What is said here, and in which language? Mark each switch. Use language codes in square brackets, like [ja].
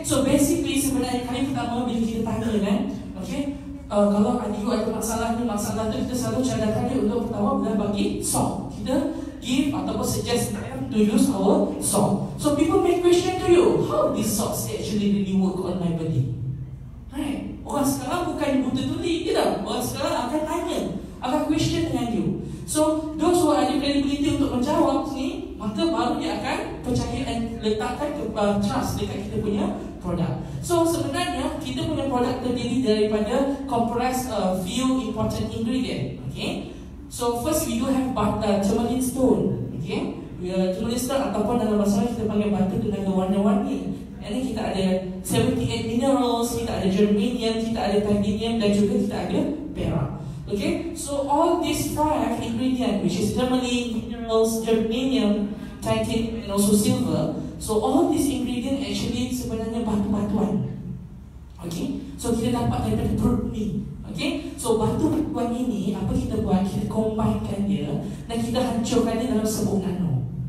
[ms] So basically sebenarnya kali pertama bila kita tanya kan, okay, kalau adik you ada masalah ni, masalah tu, kita selalu cadangkan dia untuk pertama bila bagi song. [en] Kita give ataupun suggest them to use our song. So people make question to you, how this song actually really work on my body? [ms] Alright, orang sekarang bukan buta tuli, ke tak? Orang sekarang akan tanya, akan question dengan you. So, [en] those who [ms] ada credibility untuk menjawab ni, maka baru dia akan percaya dan letakkan trust dekat kita punya produk. So, sebenarnya kita punya produk terdiri daripada [en] comprise a few important ingredient. [ms] Okay. [en] So, first we do have butter, tourmaline stone. Okay. [ms] Tourmaline stone ataupun dalam bahasa kita panggil butter dengan warna-warni. And then kita ada 78 minerals, kita ada germanium, kita ada titanium dan juga kita ada perak. [en] Okay, so all these five ingredients, which is tourmaline, minerals, germanium, titanium, and also silver. So all these ingredients actually sebenarnya batu-batuan. [ms] Okay, so kita dapat daripada perut ni. Okay, so batu-batuan ini apa kita buat? Kita combinekan dia dan kita hancurkan dia dalam sebuah nano.